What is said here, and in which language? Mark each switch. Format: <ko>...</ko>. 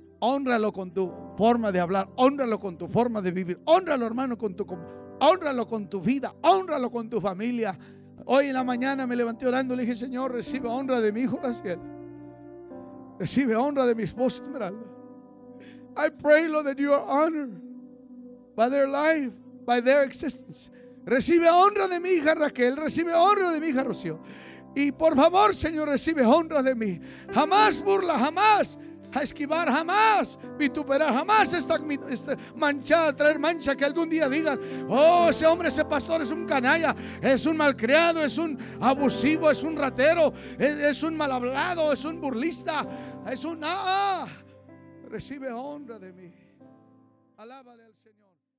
<es>Hónralo con tu forma de hablar, hónralo con tu forma de vivir, hónralo, hermano, con tu, hónralo con tu vida, hónralo con tu familia. Hoy en la mañana me levanté orando y le dije, Señor, recibe honra de mi hijo Raciel, recibe honra de mi esposa Esmeralda.</es> <en>I pray, Lord, that you are honored by their life, by their existence.</en> <es>Recibe honra de mi hija Raquel, recibe honra de mi hija Rocío. Y por favor, Señor, recibe honra de mí. Jamás burla, jamás a esquivar, jamás vituperar, jamás esta mancha, traer mancha que algún día digan, oh, ese hombre, ese pastor es un canalla, es un malcriado, es un abusivo, es un ratero, es un mal hablado, es un burlista, es un, recibe honra de mí. Alábale al Señor.</es>